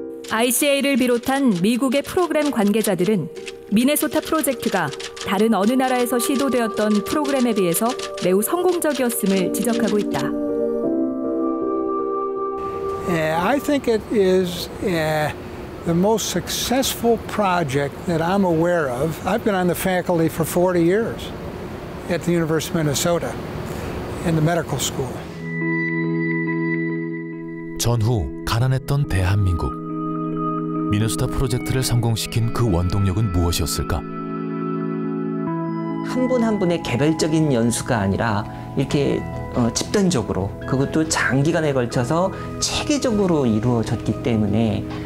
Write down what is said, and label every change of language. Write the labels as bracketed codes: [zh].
[ko] ICA를 비롯한 미국의 프로그램 관계자들은 미네소타 프로젝트가 다른 어느 나라에서 시도되었던 프로그램에 비해서 매우 성공적이었음을 지적하고 있다. [en] I think it is the most successful project that I'm aware of. I've been on the faculty for 40 years at the University of Minnesota in the medical school. [ko] 전후 가난했던 대한민국. 미네소타 프로젝트를 성공시킨 그 원동력은 무엇이었을까? 한 분 한 분의 개별적인 연수가 아니라 이렇게 집단적으로 그것도 장기간에 걸쳐서 체계적으로 이루어졌기 때문에